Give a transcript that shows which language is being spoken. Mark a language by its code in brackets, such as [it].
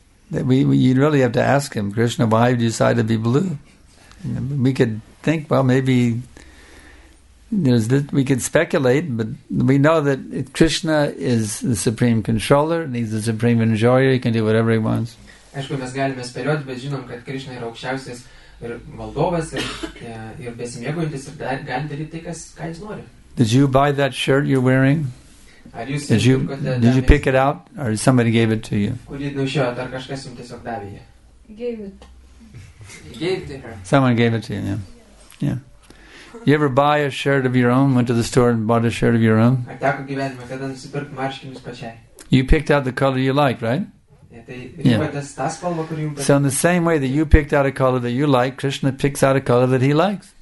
[en] You'd really have to ask him, Krishna, why did you decide to be blue? We could think, well, maybe there's this, we could speculate, but we know that Krishna is the supreme controller and he's the supreme enjoyer, he can do whatever he wants. [lt] Aišku, mes galime spėlioti, bet žinom, kad Krishna yra aukščiausias ir valdovas ir besimėgojantis ir gali daryti tai, ką jis nori. [en] Did you buy that shirt you're wearing? Did you pick it out or somebody gave it to you? [lt] Kurį nušiojot, ar kažkas jums tiesiog davė jį? [en] Gave it to her. Someone gave it to you, yeah. Yeah. You ever buy a shirt of your own, went to the store and bought a shirt of your own? You picked out the color you liked, right? Yeah. So in the same way that you picked out a color that you like, Krishna picks out a color that he likes.